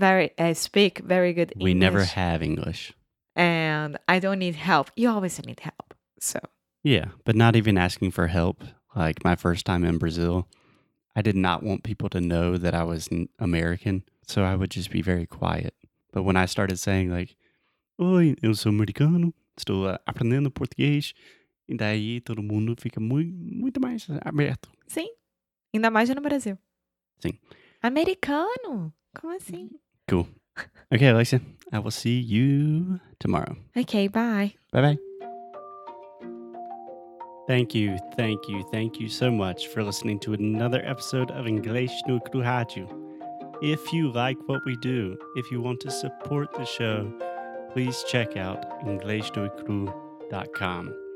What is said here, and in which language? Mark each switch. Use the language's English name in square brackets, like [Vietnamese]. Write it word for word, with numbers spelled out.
[English] very. I speak very good. We English, never have English, and I don't need help. You always need help. So yeah, but not even asking for help. Like my first time in Brazil, I did not want people to know that I was American, so I would just be very quiet. But when I started saying like, [Portuguese] "Oi, eu sou americano, estou uh, aprendendo português." E daí todo mundo fica muito, muito mais aberto. Sim, ainda mais no Brasil. Sim. Americano? Como assim? [English] Cool. Okay, Alexia, I will see you tomorrow. Okay, bye. Bye-bye. Thank you, thank you, thank you so much for listening to another episode of Inglês no Cruhaju. If you like what we do, if you want to support the show, please check out inglês no cru dot com.